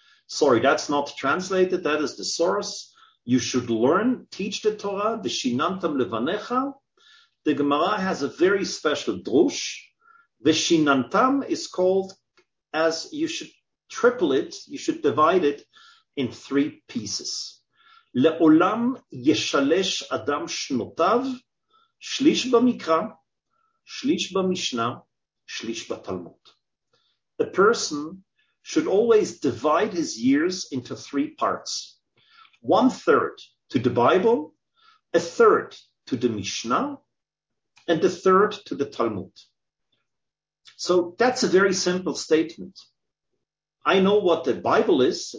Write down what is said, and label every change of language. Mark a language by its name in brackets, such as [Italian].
[English] Sorry, that's not translated. That is the source. You should learn, teach the Torah, Veshinantam Levanecha. The Gemara has a very special drush. Veshinantam is called, as you should triple it, you should divide it in three pieces. [Hebrew] לעולם ישלש אדם שנותיו, שליש במקרא, שליש במשנה, שליש בתלמוד. [English] A person should always divide his years into three parts. One third to the Bible, a third to the Mishnah, and a third to the Talmud. So that's a very simple statement. I know what the Bible is.